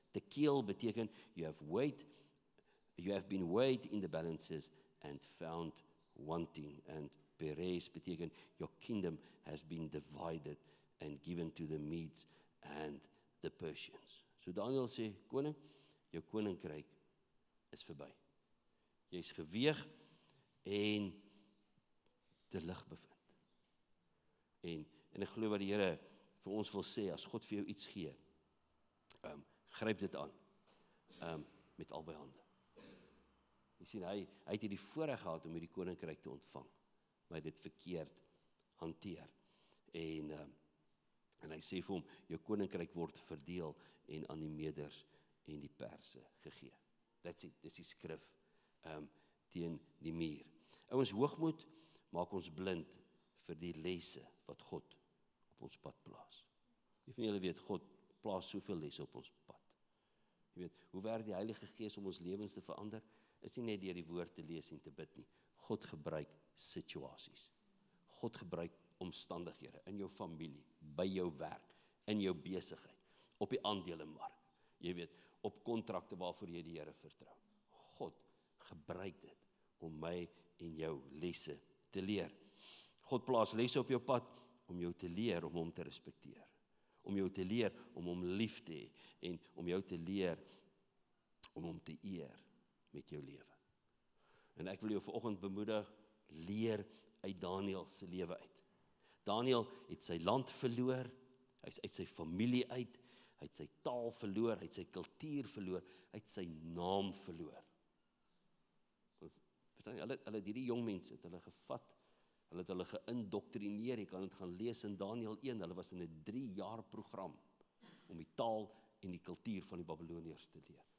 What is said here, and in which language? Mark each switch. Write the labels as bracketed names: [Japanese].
[Afrikaans] Tekel beteken, [English] you have been weighed in the balances and found wanting, and Perez [Afrikaans] beteken, [English] your kingdom has been divided and given to the Medes and the Persians. [Afrikaans] So Daniel sê, koning, jou koninkryk is verby. Jy is geweeg en te lig bevind. En ek glo wat die Here vir ons wil sê, as God vir jou iets gee, gryp dit aan, met albei hande. Jy sien, hy het hierdie voorreg gehad om hierdie koninkryk te ontvang, maar dit verkeerd hanteer. En hy sê vir hom, jou koninkryk word verdeel en aan die Meders en die Perse gegee. Dis die skrif teen die muur. Ons hoogmoed maak ons blind vir die lesse wat God op ons pad plaas. Wie van julle weet, God plaas soveel lesse op ons pad. Jy weet, hoe werk die Heilige Gees om ons lewens te verander? Is nie net deur die woord te lees en te bid nie. God gebruik situasies. God gebruik omstandighede, in jou familie, by jou werk, in jou besigheid, op die aandelemark, jy weet, op kontrakte waarvoor jy die Here vertrou. God gebruik dit om my en jou lesse te leer. God plaas lesse op jou pad om jou te leer om hom te respekteer. Om jou te leer om hom lief te hê en om jou te leer om hom te eer met jou lewe. En ek wil jou vanoggend bemoedig, leer uit Daniël se lewe uit. Daniël het sy land verloor, hy is uit sy familie uit, hy het sy taal verloor, hy het sy kultuur verloor, hy het sy naam verloor. Verstaan jy, hulle hierdie jong mense het hulle gevat, hulle het hulle geïndoktrineer, jy kan het gaan lees in Daniël 1, hulle was in 'n 3-jaar program om die taal en die kultuur van die Babyloniërs te leer.